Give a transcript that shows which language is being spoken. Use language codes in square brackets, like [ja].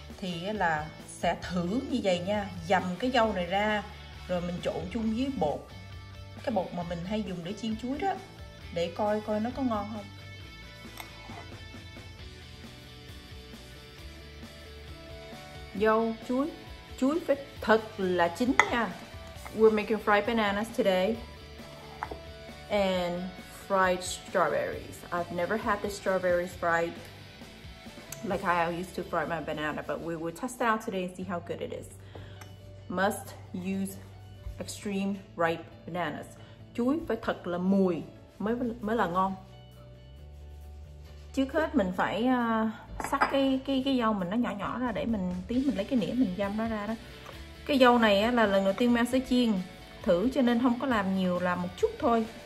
[vi] Thì là sẽ thử như vậy nha, dầm cái dâu này ra rồi mình trộn chung với bột, cái bột mà mình hay dùng để chiên chuối đó, để coi coi nó có ngon không. Dâu, chuối, chuối phải thật là chín nha. [en] We're making fried bananas today and fried strawberries. I've never had the strawberries fried like how I used to fry my banana, but we will test it out today and see how good it is. Must use extreme ripe bananas. [vi] Chuối phải thật là mùi mới là ngon. Trước hết mình phải sắc cái dâu mình nó nhỏ nhỏ ra, để mình tí mình lấy cái nĩa mình dăm nó ra đó. Cái dâu này á, là lần đầu tiên mang sẽ chiên thử cho nên không có làm nhiều, làm một chút thôi.